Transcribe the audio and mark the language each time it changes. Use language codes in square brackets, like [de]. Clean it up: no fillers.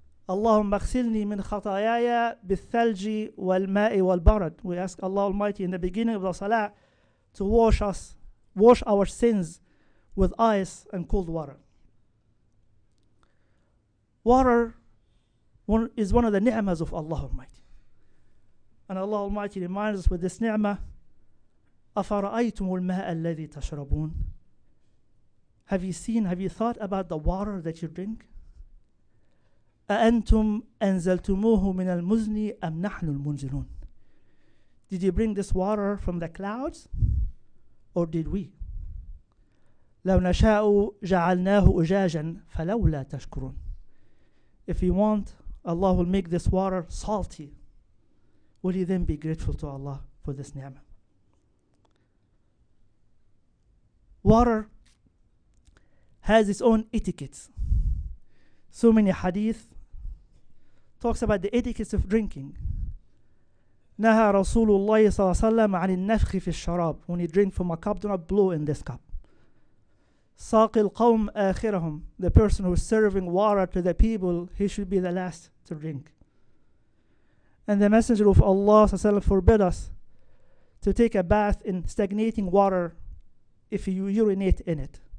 [ar] اللهم اغسلني من خطاياي بالثلج والماء والبرد. [en] We ask Allah Almighty in the beginning of the salah to wash us, wash our sins with ice and cold water. Water is one of the ni'mas of Allah Almighty. And Allah Almighty reminds us with this ni'mah, [ar] أَفَرَأَيْتُمُ الْمَاءَ الَّذِي تَشْرَبُونَ. [en] Have you seen, have you thought about the water that you drink? [ar] أَأَنْتُمْ أَنْزَلْتُمُوهُ مِنَ الْمُزْنِ أَمْ نَحْنُ الْمُنْزِلُونَ. [en] Did you bring this water from the clouds? Or did we? [ar] لَوْ نَشَاءُ جَعَلْنَاهُ أُجَاجًا فَلَوْلَا تَشْكُرُونَ. [en] If you want, Allah will make this water salty. Will you then be grateful to Allah for this ni'mah? Water has its own etiquettes. So many hadith talks about the etiquettes of drinking. [ar] نهى رسول الله صلى الله عليه وسلم عن النفخ في الشراب. [en] When you drink from a cup, do not blow in this cup. [ar] ساق القوم آخرهم. [en] The person who is serving water to the people, he should be the last to drink. And the Messenger of Allah [ar] صلى الله عليه وسلم [en] forbid us to take a bath in stagnating water if you urinate in it.